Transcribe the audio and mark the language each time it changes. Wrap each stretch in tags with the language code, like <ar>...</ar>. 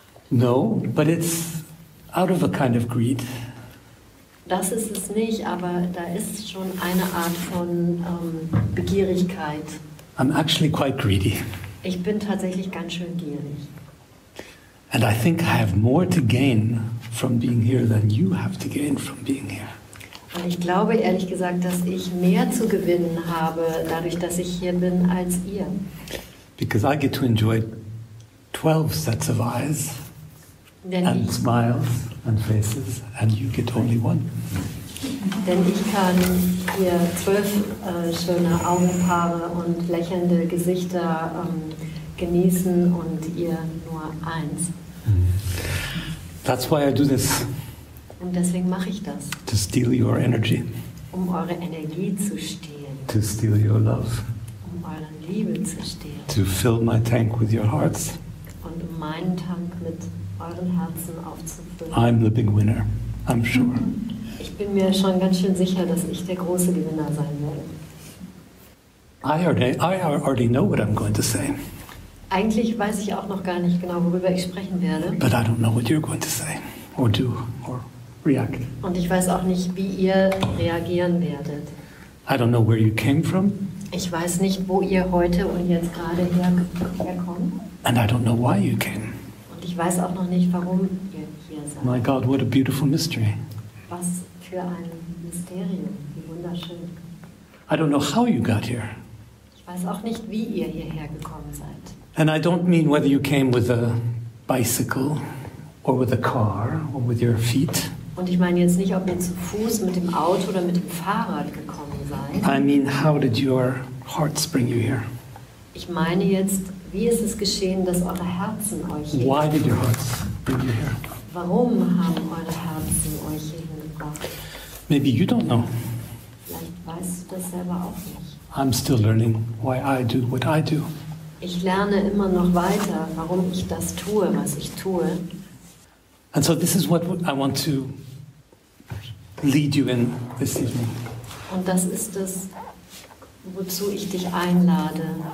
<en>No, but it's out of a kind of greed.</en> <de>Das ist es nicht, aber da ist schon eine Art von Begierigkeit.</de> <en>I'm actually quite greedy.</en> <de>Ich bin tatsächlich ganz schön gierig.</de> <en>And I think I have more to gain from being here than you have to gain from being here.</en> <de>Und ich glaube ehrlich gesagt, dass ich mehr zu gewinnen habe dadurch, dass ich hier bin, als ihr.</de> <en>Because I get to enjoy 12 sets of eyes and smiles and faces, and you get only one.</en> <de>Denn ich kann hier 12 schöne Augenpaare und lächelnde Gesichter genießen und ihr nur eins.</de> <en>That's why I do this.</en> <de>Und deswegen mache ich das.</de> <en>To steal your energy.</en> <de>Um eure Energie zu stehlen.</de> <en>To steal your love.</en> <de>Um eure Liebe zu stehlen.</de> <en>To fill my tank with your hearts.</en> <de>Und um meinen Tank mit euren Herzen aufzufüllen.</de> <en>I'm the big winner, I'm sure.</en> <de>Ich bin mir schon ganz schön sicher, dass ich der große Gewinner sein werde.</de> <en>I already know what I'm going to say.</en> <de>Eigentlich weiß ich auch noch gar nicht genau, worüber ich sprechen werde.</de> <en>But I don't know what you're going to say or do or react.</en> <de>Und ich weiß auch nicht, wie ihr reagieren werdet.</de> <en>I don't know where you came from.</en> <de>Ich weiß nicht, wo ihr heute und jetzt gerade herkommt.</de> <en>And I don't know why you came.</en> <de>Und ich weiß auch noch nicht, warum ihr hier seid.</de> <en>My God, what a beautiful mystery.</en> <de>Was für ein Mysterium, wie wunderschön.</de> <en>I don't know how you got here.</en> <de>Ich weiß auch nicht, wie ihr hierher gekommen seid.</de> <en>And I don't mean whether you came with a bicycle or with a car or with your feet.</en> <de>Und ich meine jetzt nicht, ob ihr zu Fuß, mit dem Auto oder mit dem Fahrrad gekommen seid.</de> <en>I mean, how did your hearts bring you here?</en> <de>Ich meine jetzt, wie ist es geschehen, dass eure Herzen euch hierher gebracht haben?</de> <en>Why did your hearts bring you here?</en> <de>Warum haben eure Herzen euch hierher gebracht?</de> <en>Maybe you don't know.</en> <de>Vielleicht weißt du das selber auch nicht.</de> <en>I'm still learning why I do what I do.</en> <de>Ich lerne immer noch weiter, warum ich das tue, was ich tue.</de> <en>And so this is what I want to lead you in this evening.</en> <de>Und das ist das, wozu ich dich einlade.</de>